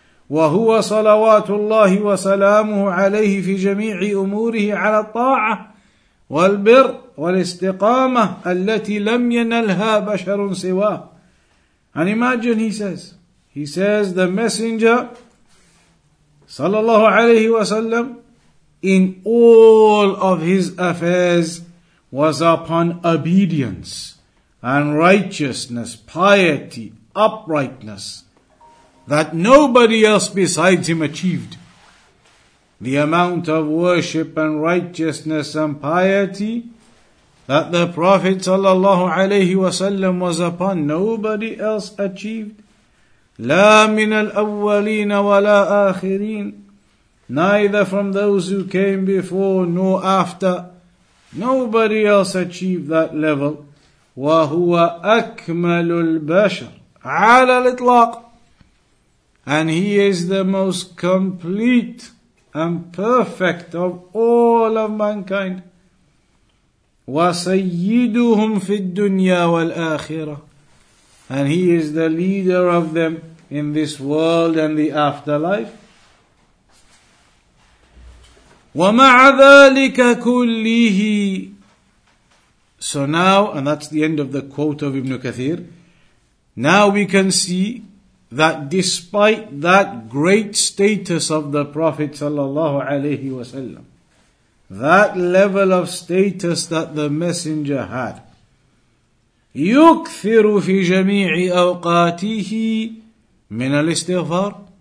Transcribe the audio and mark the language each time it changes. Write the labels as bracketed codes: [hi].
[ar] وهو صلوات الله وسلامه عليه في جميع أموره على الطاعة والبر والاستقامة التي لم ينلها بشر سواه. [en] And imagine, he says, the Messenger, sallallahu alayhi wa sallam, in all of his affairs was upon obedience and righteousness, piety, uprightness, that nobody else besides him achieved. The amount of worship and righteousness and piety that the Prophet sallallahu alayhi wa sallam was upon, nobody else achieved. [ar] لا من الأولين ولا آخرين. [en] Neither from those who came before nor after. Nobody else achieved that level. [ar] وهو أكمل البشر على الإطلاق. [en] And he is the most complete and perfect of all of mankind. [ar] وسيدهم في الدنيا والآخرة. [en] And he is the leader of them in this world and the afterlife. [ar] وَمَعَ ذَلِكَ كُلِّهِ. [en] So now, and that's the end of the quote of Ibn Kathir, now we can see that despite that great status of the Prophet sallallahu alayhi wa sallam, that level of status that the Messenger had, [ar] يُكْثِرُ فِي جَمِيعِ أَوْقَاتِهِ من الاستغفار.